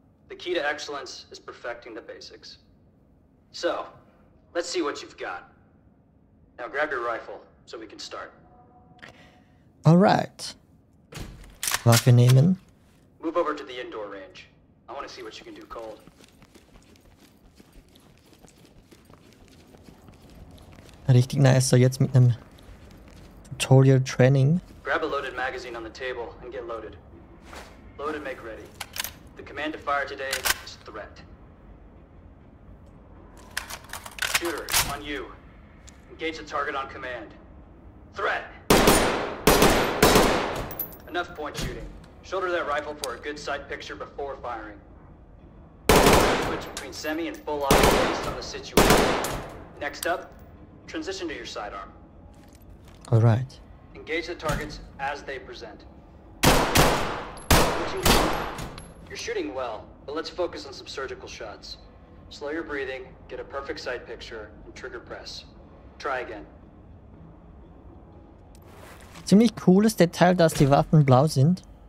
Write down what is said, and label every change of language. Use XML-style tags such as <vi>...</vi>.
<en>The key to excellence is perfecting the basics. So, let's see what you've got. Now grab your rifle, so we can start.</en> <de>Alright. Waffe nehmen.</de> <en>Move over to the indoor range. I want to see what you can do cold.</en> <de>Richtig nice, so jetzt mit einem Tutorial Training.</de> <en>Grab a loaded magazine on the table and get loaded. Load and make ready. The command to fire today is threat. Shooter, on you. Engage the target on command. Threat! Enough point shooting. Shoulder that rifle for a good sight picture before firing. Switch between semi and full auto based on the situation. Next up, transition to your sidearm. Alright. Engage the targets as they present. You're shooting well, but let's focus on some surgical shots. Slow your breathing, get a perfect sight picture, and trigger press. Try again.</en> <de>Ziemlich cooles Detail, dass die Waffen blau sind.</de>